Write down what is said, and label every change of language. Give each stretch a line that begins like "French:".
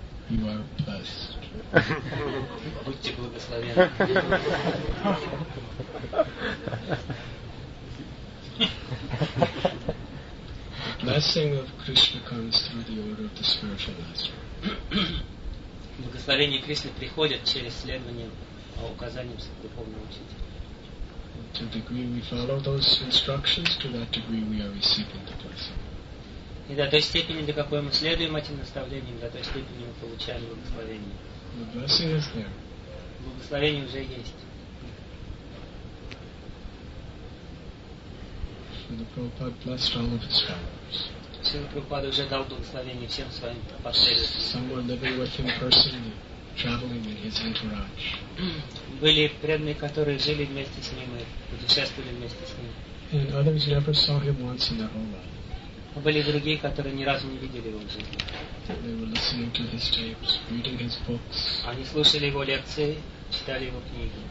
English: You are blessed.
Russian: Будьте благословенны.
English: Blessing of Krishna comes through the order of the spiritual master.
Russian: Благословение Кришны приходит через следование указаниям духовного учителя.
English: To the degree we follow those instructions, to that degree we are receiving the blessing.
Russian: И до той степени, до какой мы следуем этим наставлениям, до той степени мы получаем благословение.
English: The blessing is there.
Russian: Благословение уже есть.
English: And the Prabhupada blessed all of his followers.
Russian: Шрила Прабхупада уже дал благословение всем своим последователям.
English: Someone living with him personally. Traveling in his entourage.
Russian: Были преданные, которые жили вместе с ним и путешествовали вместе с ним.
English: And others never saw him once in their whole life.
Russian: Были другие, которые ни разу не видели его в жизни.
English: They were listening to his tapes, reading his books.
Russian: Они слушали его лекции, читали его книги.